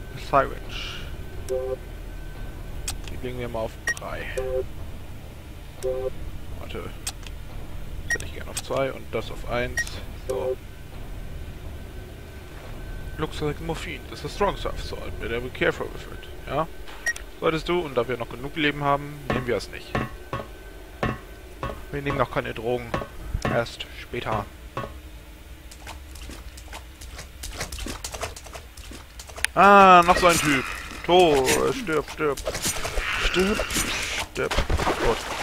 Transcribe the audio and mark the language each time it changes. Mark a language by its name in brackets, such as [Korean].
[English] Syringe. [German] Legen wir mal auf 3. Warte. Das hätte ich gerne auf 2 und das auf 1. So. [English] Looks like Morphine. This is strong stuff, so I'd better be careful with it. [German] Ja? Solltest du, und da wir noch genug Leben haben, nehmen wir es nicht. Wir nehmen noch keine Drogen. Erst später. Ah, noch so ein Typ. Tor, stirb, stirb. Stirb. Gott.